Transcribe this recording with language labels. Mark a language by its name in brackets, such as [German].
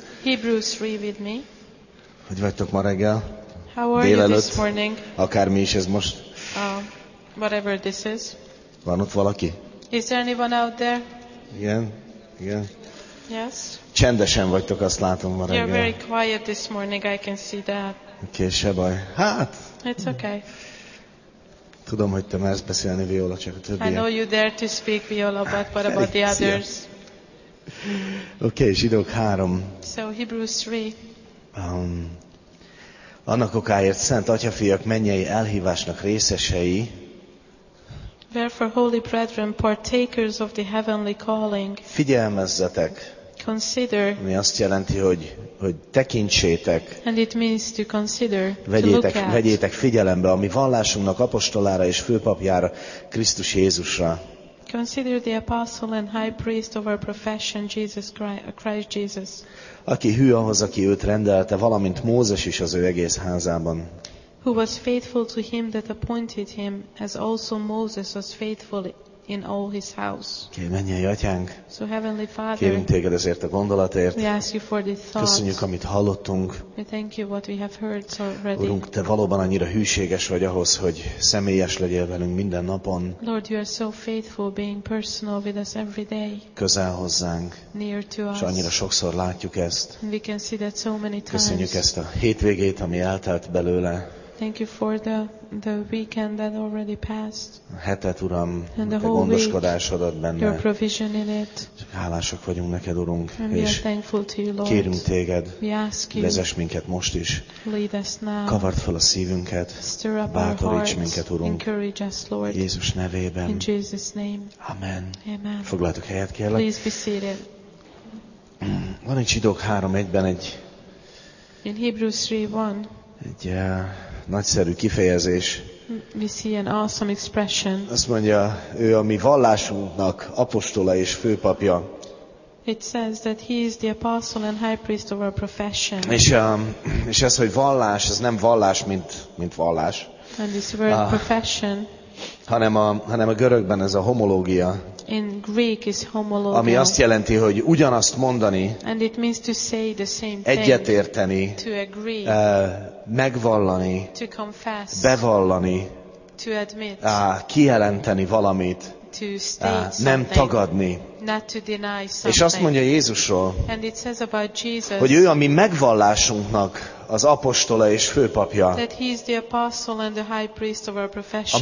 [English] Hebrews 3 with me. [Hungarian] Hogy vagytok ma reggel? [English] How are you this morning? [Hungarian] Akármi is ez most. [English] Whatever this is. [Hungarian] Van ott valaki? [English] Is there anyone out there? [Hungarian] Igen, igen. [English] Yes. [Hungarian] Csendesen vagytok, azt látom ma reggel. [English] You're very quiet this morning, I can see that. [Hungarian] Oké, okay, se baj. Hát. [English] It's okay. [Hungarian] Tudom, hogy te mersz beszélni, Viola, csak a többiek. [English] I know you dare to speak, Viola, but what about the others? [Hungarian] Oké, okay, zsidók 3. [English] So, Hebrews 3. [Hungarian] Annak okáért szent atyafiak mennyei elhívásnak részesei. [English] Therefore, holy brethren, partakers of the heavenly calling. [Hungarian] Figyelmezzetek. [English] Consider. [Hungarian] Mi azt jelenti, hogy tekintsétek. [English] And it means to consider. [Hungarian] Vegyétek figyelembe a mi vallásunknak apostolára és főpapjára, Krisztus Jézusra. [English] Consider the apostle and high priest of our profession, Jesus Christ Jesus. [Hungarian] Aki hű ahhoz, aki őt rendelte, valamint Mózes is az ő egész házában. [English] Who was faithful to him that appointed him, as also Moses was faithful in all his house. [Hungarian] Okay, mennyei atyánk, [English] so heavenly Father, [Hungarian] kérünk téged ezért a gondolatért. [English] We ask you for the thought. [Hungarian] Köszönjük, amit hallottunk. [English] We thank you what we have heard already. [Hungarian] Urunk, te valóban annyira hűséges vagy ahhoz, hogy személyes legyél velünk minden napon. [English] Lord, you are so faithful being personal with us every day. [Hungarian] Közel hozzánk. [English] Near to us. [Hungarian] És annyira sokszor látjuk ezt. [English] We can see that so many times. [Hungarian] Köszönjük ezt a hétvégét, ami eltelt belőle. [English] Thank you for the weekend that already passed. [Hungarian] Hetet, Uram, [English] and the [Hungarian] te gondoskodásodat benne. [English] Your provision in it. [Hungarian] Hálásak vagyunk neked, Urunk, [English] and és we are thankful to you, Lord. [Hungarian] Kérünk téged, [English] we ask you, [Hungarian] vezess minket most is. [English] Lead us now. [Hungarian] Kavard fel a szívünket. [English] Stir up [Hungarian] bátoríts [English] our hearts, [Hungarian] minket, Urunk. [English] Encourage us, Lord. [Hungarian] Jézus nevében. [English] In Jesus' name. [Hungarian] Amen. [English] Amen. [Hungarian] Foglaltok helyet, kérlek. [English] Please be seated. [Hungarian] Van egy Zsidók 3:1-ben egy... [English] In Hebrews 3:1. [Hungarian] Egy... nagyszerű kifejezés. [English] We see an awesome expression. [Hungarian] Azt mondja, ő a mi vallásunknak apostola és főpapja. [English] It says that he is the apostle and high priest of our profession. [Hungarian] És ez, hogy vallás, ez nem vallás, mint vallás. [English] And this word profession. [Hungarian] Hanem a görögben ez a homológia. [English] In Greek is homologia. [Hungarian] Ami azt jelenti, hogy ugyanazt mondani. [English] And it means to say the same thing. [Hungarian] Egyetérteni. [English] To agree. [Hungarian] Megvallani. [English] To confess. [Hungarian] Bevallani. [English] To admit. [Hungarian] Kijelenteni valamit. [English] To state something. [Hungarian] Nem tagadni. [English] Not to deny something. [Hungarian] És azt mondja Jézusról. [English] And it says about Jesus. [Hungarian] Hogy ő a mi megvallásunknak az apostola és főpapja. [English] That he is the apostle and the high priest of our profession.